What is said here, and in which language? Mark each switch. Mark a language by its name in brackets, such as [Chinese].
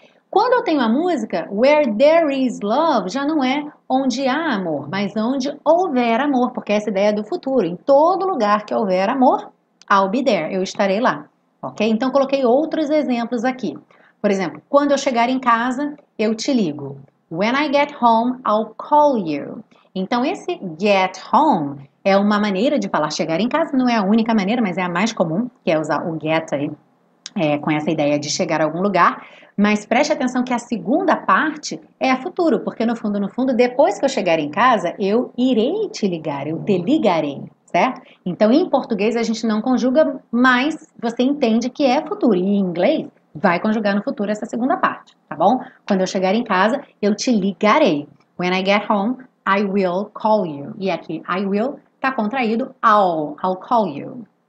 [Portuguese] Quando eu tenho a música, [English] where there is love, [Portuguese] já não é onde há amor, mas onde houver amor, porque essa ideia é do futuro, em todo lugar que houver amor, [English] I'll be there, [Portuguese] eu estarei lá. Ok? Então, coloquei outros exemplos aqui. Por exemplo, quando eu chegar em casa, eu te ligo. [English] When I get home, I'll call you. [Portuguese] Então, esse get home é uma maneira de falar chegar em casa. Não é a única maneira, mas é a mais comum, que é usar o get aí com essa ideia de chegar a algum lugar. Mas preste atenção que a segunda parte é a futuro, porque no fundo, no fundo, depois que eu chegar em casa, eu irei te ligar, eu te ligarei. Certo? Então, em português, a gente não conjuga, mas você entende que é futuro. E em inglês, vai conjugar no futuro essa segunda parte, tá bom? Quando eu chegar em casa, eu te ligarei. [English] When I get home, I will call you. [Portuguese] E aqui, [English] I will, [Portuguese] tá contraído, [English] I'll call you.